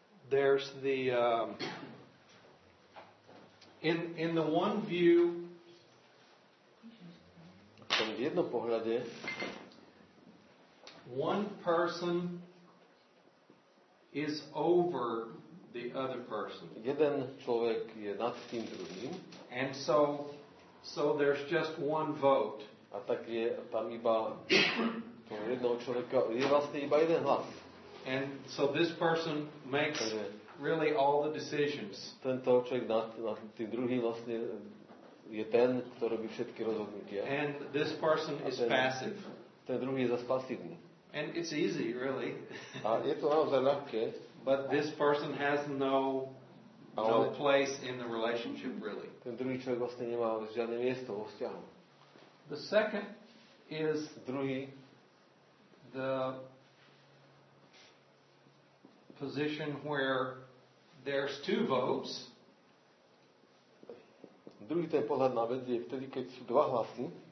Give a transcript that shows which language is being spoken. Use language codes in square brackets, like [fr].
[en] There's the in the one view, [sk] v tom jednom pohľade, [en] one person is over the other person. [sk] Jeden človek je nad tým druhým. [en] And so there's just one vote. [sk] A tak je tam iba jednoho človeka, je vlastne iba jeden hlas. [en] And so this person makes [sk] takže [en] really all the decisions. [sk] Tento človek nad tým druhým vlastne je ten, ktorý robí všetky rozhodnutia. [en] And this person is passive. [sk] Ten druhý je zas pasívny. [en] And it's easy, really. [sk] A je to naozaj ľahké. [en] But this person has no place in the relationship, really. [sk] Ten druhý človek vlastne nemá žiadne miesto vo vzťahu. [en] The second is [sk] druhý [en] the position where there's two votes. [sk] Druhý ten pohľad na vec je vtedy, keď sú dva hlasy.